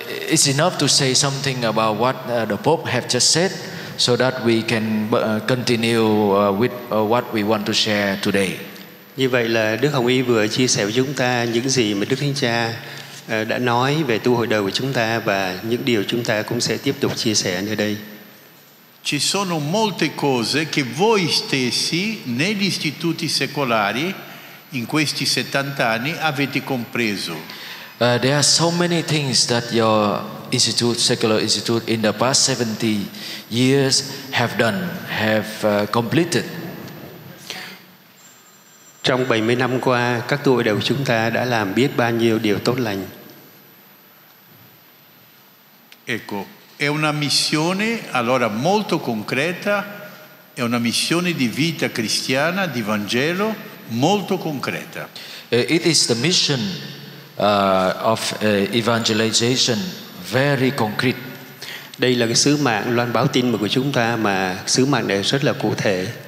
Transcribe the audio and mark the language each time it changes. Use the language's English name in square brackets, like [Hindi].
[English] It's enough to say something about what the Pope have just said so that we can continue with what we want to share today. [Vietnamese] Như vậy là Đức Hồng Y vừa chia sẻ với chúng ta những gì mà Đức Thánh Cha đã nói về tu hội đời của chúng ta và những điều chúng ta cũng sẽ tiếp tục chia sẻ nơi đây. [Italian] Ci sono molte cose che voi stessi negli istituti secolari in questi 70 anni avete compreso. [English] There are so many things that your institute, secular institute, in the past 70 years have done, have completed. [Vietnamese] Trong 70 năm qua, các tu hội đời của chúng ta đã làm biết bao nhiêu điều tốt lành. [Italian] Ecco, è una missione allora molto concreta, è una missione di vita cristiana, di Vangelo, molto concreta. [English] It is the mission of evangelization, very concrete. [Vietnamese] Đây là cái sứ mạng loan báo tin mừng của chúng ta mà sứ mạng này rất là cụ thể.